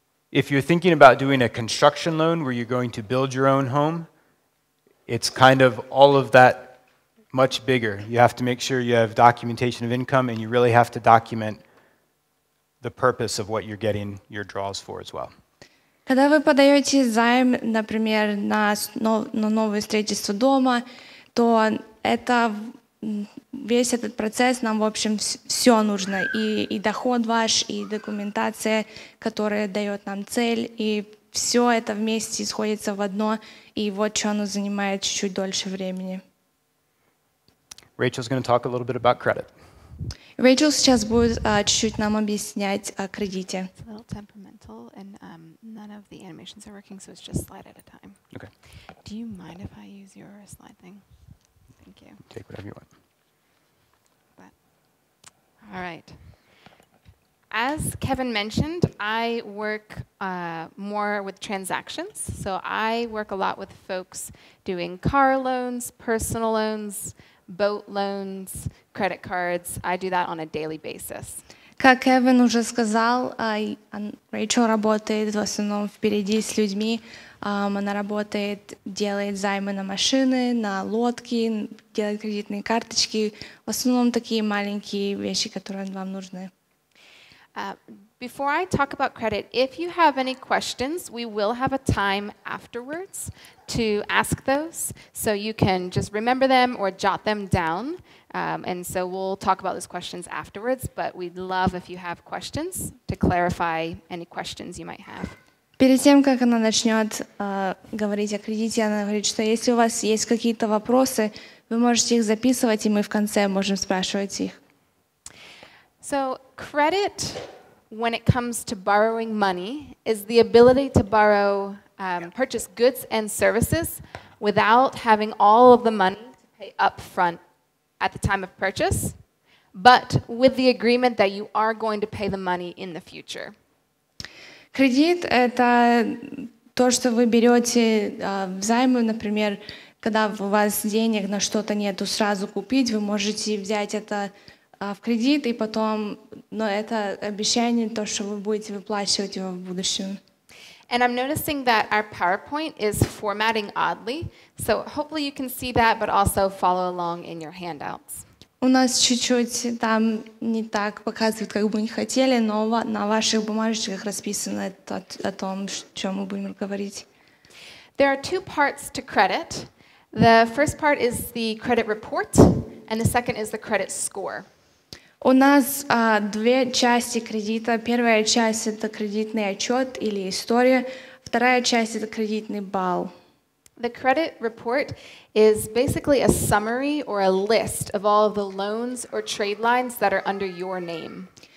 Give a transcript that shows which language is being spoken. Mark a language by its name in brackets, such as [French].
[English] If you're thinking about doing a construction loan where you're going to build your own home, it's kind of all of that much bigger. You have to make sure you have documentation of income and you really have to document the purpose of what you're getting your draws for as well. [Russian] Когда вы подаете займ, например, на новое строительство дома, то это весь этот процесс нам, в общем, все нужно. И доход ваш, и документация, которая дает нам цель. И все это вместе сходится в одно. И вот что оно занимает чуть-чуть дольше времени. [English] Rachel's going to talk a little bit about credit. [Russian] Rachel сейчас будет чуть-чуть нам объяснять о кредите. [English] It's a little temperamental, and none of the animations are working, so it's just slide at a time. Okay. Do you mind if I use your slide thing? Thank you. Take whatever you want. All right. As Kevin mentioned, I work more with transactions. So I work a lot with folks doing car loans, personal loans, boat loans, credit cards. I do that on a daily basis. [Russian] Как Кевин уже сказал, Рэйчел работает в основном впереди с людьми. Она работает, делает займы на машины, на лодки, делает кредитные карточки. В основном такие маленькие вещи, которые вам нужны. [English] Before I talk about credit, if you have any questions, we will have a time afterwards to ask those. So you can just remember them or jot them down. And so we'll talk about those questions afterwards, but we'd love if you have questions to clarify any questions you might have. [Russian] Перед тем, как она начнет говорить о кредите, она говорит, что если у вас есть какие-то вопросы, вы можете их записывать, и мы в конце можем спрашивать их. [English] So credit, when it comes to borrowing money, is the ability to borrow, purchase goods and services without having all of the money to pay up front at the time of purchase, but with the agreement that you are going to pay the money in the future. [Russian] Кредит — это то, что вы берете взаймы, например, когда у вас денег на что-то нету сразу купить, вы можете взять это в кредит, и потом, но это обещание, то, что вы будете выплачивать его в будущем. [English] And I'm noticing that our PowerPoint is formatting oddly, so hopefully you can see that, but also follow along in your handouts. [Russian] У нас чуть-чуть там не так показывают, как бы не хотели, но на ваших бумажечках расписано о том, о чем мы будем говорить. [English] There are two parts to credit. The first part is the credit report, and the second is the credit score. [Russian] У нас две части кредита. Первая часть — это кредитный отчет или история. Вторая часть — это кредитный балл. [English] The credit report is basically a summary or a list of all of the loans or trade lines that are under your name.